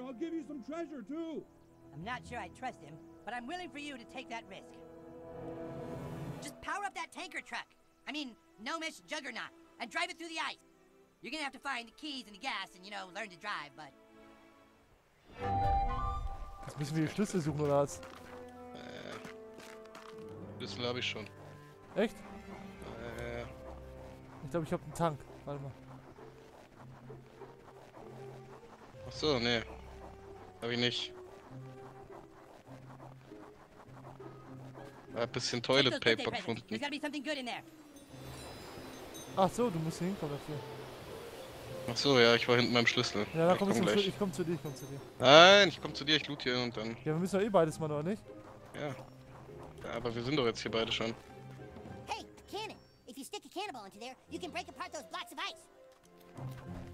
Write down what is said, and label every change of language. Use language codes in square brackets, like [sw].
[en] I'll give you some treasure too. I'm not sure I trust him, but I'm willing for you to take that risk. Just power up that tanker truck. I mean, gnomish juggernaut, and drive it through the ice. You're gonna have to find the keys and the gas and, you know, learn to drive, but... [de] Jetzt müssen wir die Schlüssel suchen, oder was? Schlüssel habe ich schon. Echt? Ich glaube, ich habe einen Tank. Warte mal. Ach so, nee. Habe ich nicht. Ein bisschen Toilet Paper gefunden. Ach so, du musst hier hinkommen dafür. Ach so, ja, ich war hinten beim Schlüssel. Ja, dann ich komm zu dir. Nein, ich komm zu dir, ich loot hier hin und dann. Ja, wir müssen doch eh beides mal, oder nicht? Ja. Ja, aber wir sind doch jetzt hier beide schon. [en] Hey, Cannon! If you stick a cannonball into there, you can break apart those blocks of ice!